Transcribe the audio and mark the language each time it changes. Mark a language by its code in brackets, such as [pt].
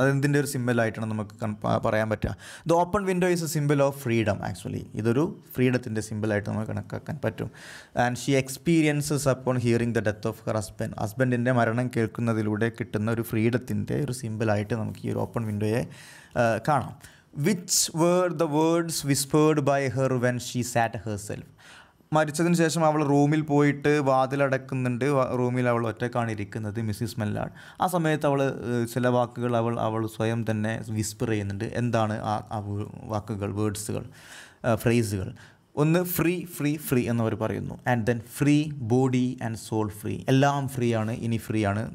[ml] അതെന്തിൻ്റെ ഒരു സിമ്പിളായിട്ടാണ് നമുക്ക് പറയാൻ പറ്റുക? [en] The open window is a symbol of freedom. [ml] Actually ഇതൊരു ഫ്രീഡത്തിൻ്റെ സിമ്പിളായിട്ട് നമുക്ക് കണക്കാക്കാൻ പറ്റും. [en] And she experiences upon hearing the death of her husband. [ml] ഹസ്ബൻഡിൻ്റെ മരണം കേൾക്കുന്നതിലൂടെ കിട്ടുന്ന ഒരു ഫ്രീഡത്തിൻ്റെ ഒരു സിമ്പിളായിട്ട് നമുക്ക് ഈ ഒരു ഓപ്പൺ വിൻഡോയെ കാണാം. [en] Which were the words whispered by her when she sat herself? [ml] മരിച്ചതിന് ശേഷം അവൾ റൂമിൽ പോയിട്ട് വാതിലടക്കുന്നുണ്ട്. റൂമിൽ അവൾ ഒറ്റക്കാണ് ഇരിക്കുന്നത്, മിസ്സിസ് മെല്ലാർഡ്. ആ സമയത്ത് അവൾ ചില വാക്കുകൾ അവൾ സ്വയം തന്നെ വിസ്പർ ചെയ്യുന്നുണ്ട്. എന്താണ് ആ വാക്കുകൾ, വേർഡ്സുകൾ, ഫ്രേസുകൾ? ഒന്ന് [en] free free free [ml] എന്നവർ പറയുന്നു. [en] and then free body and soul free, [ml] എല്ലാം ഫ്രീ ആണ്, ഇനി ഫ്രീ ആണ്.